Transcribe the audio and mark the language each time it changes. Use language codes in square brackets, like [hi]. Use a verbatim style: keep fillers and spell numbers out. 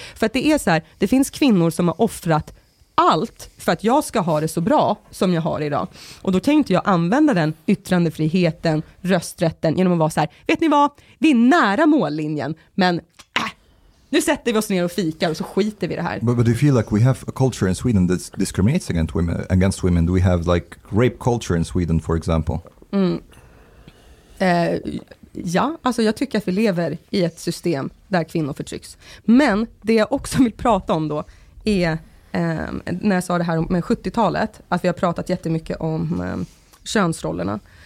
[sv] För att det är så här, det finns kvinnor som har offrat allt för att jag ska ha det så bra som jag har idag. Och då kan inte jag använda den yttrandefriheten, rösträtten, genom att vara så här, vet ni vad, vi är nära mållinjen, men nu sätter vi oss ner och fikar och så skiter vi det här. [en] But, but do you feel like we have a culture in Sweden that discriminates against women? Against women? Do we have like rape culture in Sweden, for example? Mm. [sv] Eh, ja, alltså jag tycker att vi lever i ett system där kvinnor förtrycks. Men det jag också vill prata om då är, eh, när jag sa det här om sjuttiotalet, att vi har pratat jättemycket om eh, könsrollerna.